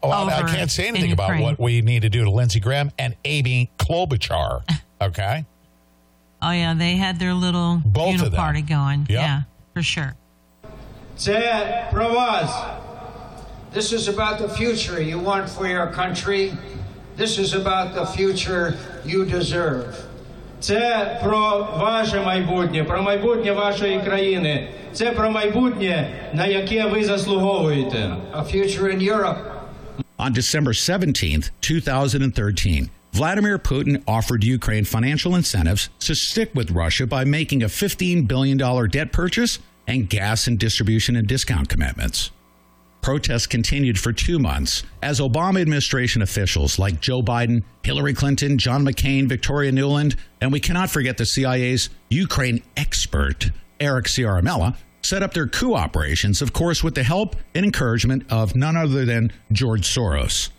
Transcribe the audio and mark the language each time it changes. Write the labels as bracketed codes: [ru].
[en] Well, I can't say anything about what we need to do to Lindsey Graham and Amy Klobuchar, okay? Oh, yeah, they had their little party going. Yep. Yeah, for sure. Zed Provaz, this is about the future you want for your country. This is about the future you deserve. [uk] Це про ваше майбутнє, про майбутнє вашої країни. Це про майбутнє, на яке ви заслуговуєте. [en] A future in Europe. On December 17th, 2013, Vladimir Putin offered Ukraine financial incentives to stick with Russia by making a $15 billion debt purchase and gas and distribution and discount commitments. Protests continued for 2 months as Obama administration officials like Joe Biden, Hillary Clinton, John McCain, Victoria Nuland, and we cannot forget the CIA's Ukraine expert, Eric Ciaramella, set up their coup operations, of course, with the help and encouragement of none other than George Soros.